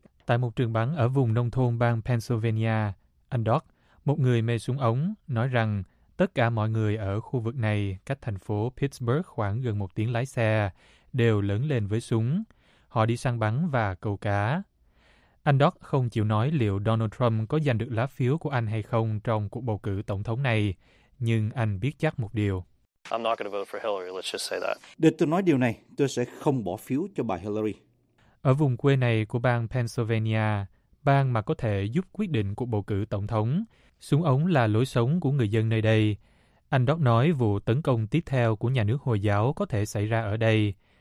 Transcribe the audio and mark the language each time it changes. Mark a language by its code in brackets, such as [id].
[vi] Tại một trường bắn ở vùng nông thôn bang Pennsylvania, anh Doc, một người mê súng ống, nói rằng tất cả mọi người ở khu vực này cách thành phố Pittsburgh khoảng gần một tiếng lái xe đều lớn lên với súng. Họ đi săn bắn và câu cá. Anh Doc không chịu nói liệu Donald Trump có giành được lá phiếu của anh hay không trong cuộc bầu cử tổng thống này, nhưng anh biết chắc một điều. [en] I'm not going to vote for Hillary, let's just say that. [vi] Để tôi nói điều này, tôi sẽ không bỏ phiếu cho bà Hillary. Ở vùng quê này của bang Pennsylvania, bang mà có thể giúp quyết định cuộc bầu cử tổng thống, súng ống là lối sống của người dân nơi đây. Anh Doc nói vụ tấn công tiếp theo của nhà nước Hồi giáo có thể xảy ra ở đây.